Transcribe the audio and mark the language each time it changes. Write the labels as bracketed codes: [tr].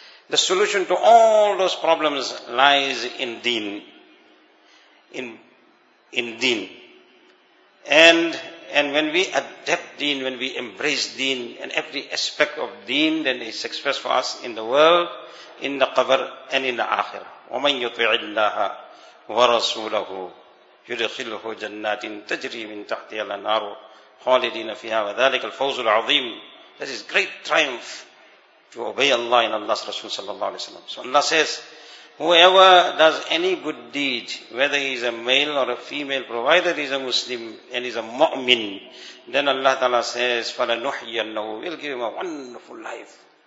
[en] The solution to all those problems lies in deen. In deen. And when we adapt deen, when we embrace deen and every aspect of deen, then it's success for us in the world, in the qabr and in the akhirah. [ar] ومن يطع الله ورسوله يدخله جنات تجري من تحتها الأنهار خالدين فيها وذلك الفوز العظيم. [en] This is great triumph to obey Allah and Allah's Rasul sallallahu alayhi wa sallam. So Allah says, whoever does any good deed, whether he is a male or a female, provided he is a Muslim and is a mu'min, then Allah ta'ala says, [ar] فَلَنُحْيَنَّهُ, [en] we'll give him a wonderful life.